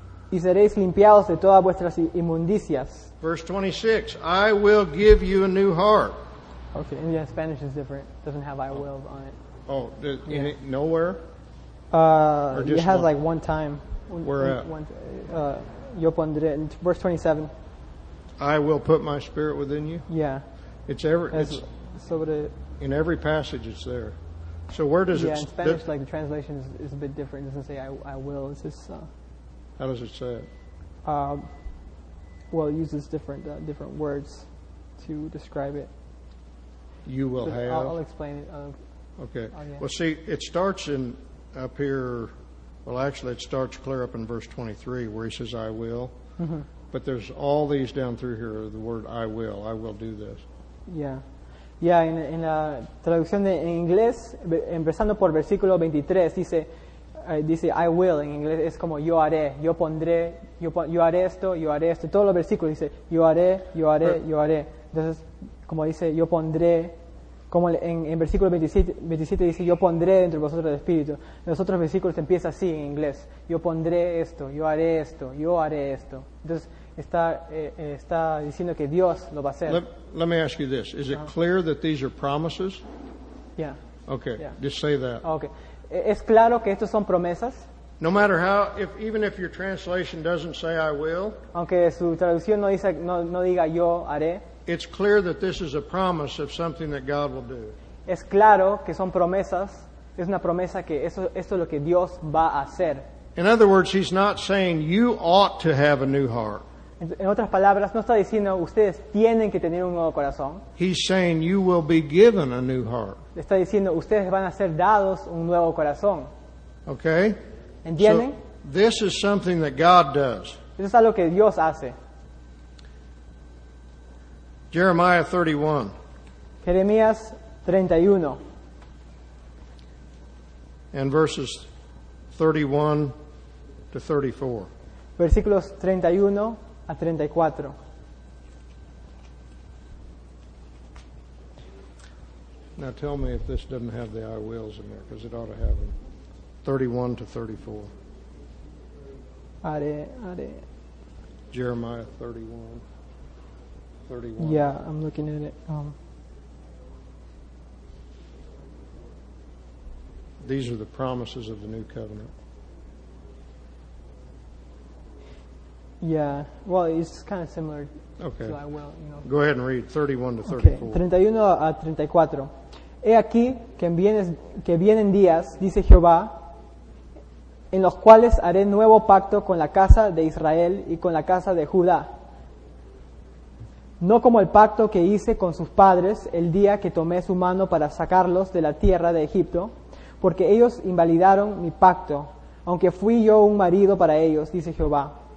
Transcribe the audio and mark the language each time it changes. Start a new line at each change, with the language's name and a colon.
Spanish: Y seréis limpiados de todas vuestras inmundicias.
English: Verse 26, I will give you a new heart. Okay, and yeah, Spanish is different. It doesn't have I will on it. Oh, does, yeah. In it, nowhere? It has one? Like one time. Where at?
Spanish: Yo pondré,
English: in verse 27. I will put my spirit within you. Yeah. In every passage it's there. So where does in Spanish, like the translation is a bit different. It doesn't say I will. It's just, how does it say it? Well, it uses different words to describe it. You will have. I'll explain it. Okay. Well, see, it starts in up here. Well, actually, it starts clear up in verse 23 where he says, I will. Mm-hmm. But there's all these down through here, the word I will. I will do this. Yeah.
Spanish: Yeah, en la traducción de, en inglés, empezando por versículo 23, dice
English: I will.
Spanish: En inglés es como yo haré, yo pondré, yo haré esto, yo haré esto. Todos los versículos dice yo haré, yo haré, yo haré. Entonces, como dice, yo pondré, como en versículo 27 dice, yo pondré dentro de vosotros el Espíritu. En los otros versículos empieza así en inglés. Yo pondré esto, yo haré esto, yo haré esto. Entonces, está diciendo que Dios lo va a hacer.
English: Let me ask you this. Is it clear that these are promises? Yeah. Okay, yeah. Just say that. Okay.
Spanish: ¿Es claro que estos son promesas?
English: No matter how, even if your translation doesn't say I will,
Spanish: aunque su traducción no dice, no diga yo haré,
English: it's clear that this is a promise of something that God will do.
Spanish: Es claro que son promesas, es una promesa que esto es lo que Dios va a hacer.
English: In other words, he's not saying you ought to have a new heart.
Spanish: En otras palabras, no está diciendo ustedes tienen que tener un nuevo corazón.
English: He's saying you will be given a new heart.
Spanish: Está diciendo ustedes van a ser dados un nuevo corazón.
English: Okay?
Spanish: ¿Entienden?
English: So, this is something that God does.
Spanish: Eso es algo que Dios hace.
English: Jeremiah 31.
Spanish: Jeremías 31.
English: And verses 31 to 34.
Spanish: Versículos 31 a 34.
English: Now tell me if this doesn't have the I wills in there, because it ought to have them. 31 to 34. Are. Jeremiah 31. 31. Yeah, I'm looking at it. These are the promises of the new covenant. Yeah, well, it's kind of similar. Okay. So I will, you know. Go ahead and read 31 to 34.
Spanish: Okay. 31 a 34. He aquí que vienen días, dice Jehová, en los cuales haré nuevo pacto con la casa de Israel y con la casa de Judá. No como el pacto que hice con sus padres el día que tomé su mano para sacarlos de la tierra de Egipto, porque ellos invalidaron mi pacto, aunque fui yo un marido para ellos, dice Jehová.